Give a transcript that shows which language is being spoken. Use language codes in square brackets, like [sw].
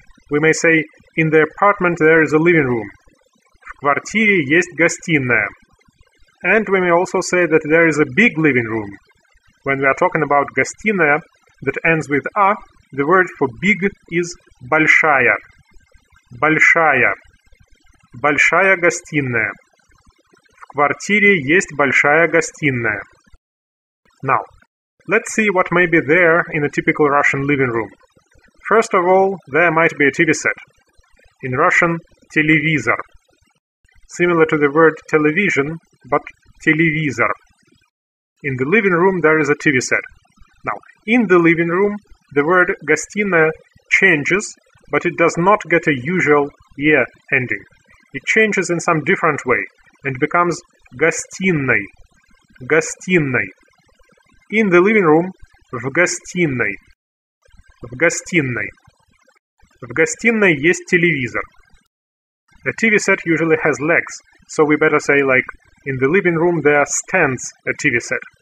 [en] We may say «in the apartment there is a living room». [ru] В квартире есть гостиная. [en] And we may also say that there is a big living room. When we are talking about гостиная, that ends with А, the word for big is большая. Большая. [ru] Большая гостиная. В квартире есть большая гостиная. [en] Now, let's see what may be there in a typical Russian living room. First of all, there might be a TV set. In Russian, телевизор. Similar to the word television, but телевизор. In the living room there is a TV set. Now, in the living room, the word гостиная changes, but it does not get a usual е ending. It changes in some different way, and becomes гостиной. [ru] Гостиной. [en] In the living room, [ru] в гостиной. В гостиной. В гостиной есть телевизор. [en] A TV set usually has legs, so we better say, like, in the living room there stands a TV set.